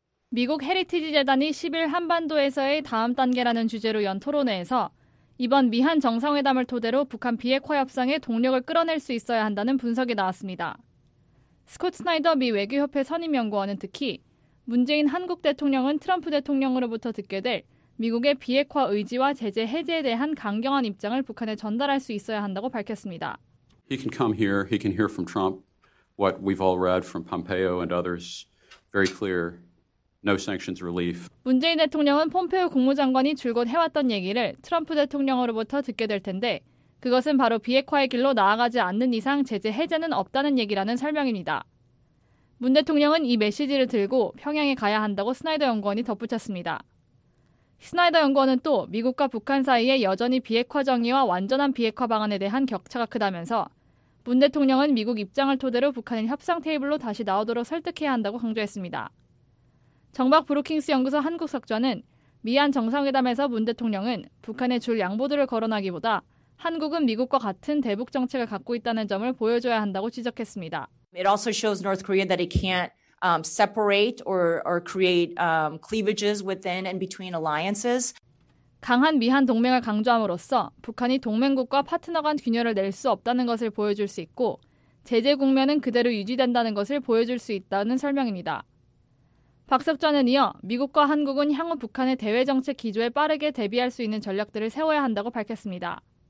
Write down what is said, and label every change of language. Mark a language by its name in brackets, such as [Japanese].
[Korean] 미국 헤리티지 재단이 10일 한반도에서의 다음 단계라는 주제로 연 토론회에서 이번 미한 정상회담을 토대로 북한 비핵화 협상에 동력을 끌어낼 수 있어야 한다는 분석이 나왔습니다. 스콧 스나이더 미 외교협회 선임연구원은 특히 문재인 한국 대통령은 트럼프 대통령으로부터 듣게 될 미국의 비핵화 의지와 제재 해제에 대한 강경한 입장을 북한에 전달할 수 있어야 한다고 밝혔습니다. [English] He can come here. He can hear from Trump what we've all read from Pompeo and others. Very clear. No sanctions relief. [Korean] 문재인 대통령은 폼페오 국무장관이 줄곧 해왔던 얘기를 트럼프 대통령으로부터 듣게 될 텐데 그것은 바로 비핵화의 길로 나아가지 않는 이상 제재 해제는 없다는 얘기라는 설명입니다. 문 대통령은 이 메시지를 들고 평양에 가야 한다고 스나이더 연구원이 덧붙였습니다. 스나이더 연구원은 또 미국과 북한 사이에 여전히 비핵화 정의와 완전한 비핵화 방안에 대한 격차가 크다면서 문 대통령은 미국 입장을 토대로 북한을 협상 테이블로 다시 나오도록 설득해야 한다고 강조했습니다. 정박 브루킹스 연구소 한국석좌는 미한 정상회담에서 문 대통령은 북한에 줄 양보들을 거론하기보다 한국은 미국과 같은 대북 정책을 갖고 있다는 점을 보여줘야 한다고 지적했습니다. [English] It also shows North Korea that it can't separate or create cleavages within and between alliances. [Korean] 강한 미한 동맹을 강조함으로써 북한이 동맹국과 파트너 간 균열을 낼 수 없다는 것을 보여줄 수 있고 제재 국면은 그대로 유지된다는 것을 보여줄 수 있다는 설명입니다. 박석전은 이어 미국과 한국은 향후 북한의 대외정책 기조에 빠르게 대비할 수 있는 전략들을 세워야 한다고 밝혔습니다.